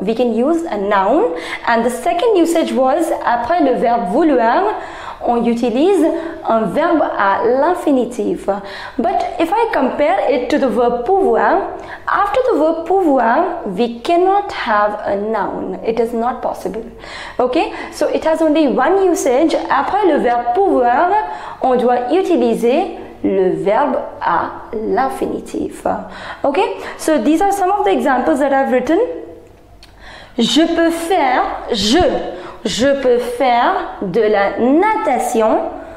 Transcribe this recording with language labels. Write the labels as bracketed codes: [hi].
[en] We can use a noun. And the second usage was, [fr] après le verbe vouloir, on utilise un verbe à l'infinitif. [en] But if I compare it to the verb pouvoir, after the verb pouvoir, we cannot have a noun. It is not possible. Okay? So it has only one usage. [fr] Après le verbe pouvoir, on doit utiliser le verbe à l'infinitif. [en] Okay, so these are some of the examples that I've written. [fr] Je peux faire, je peux faire de la natation.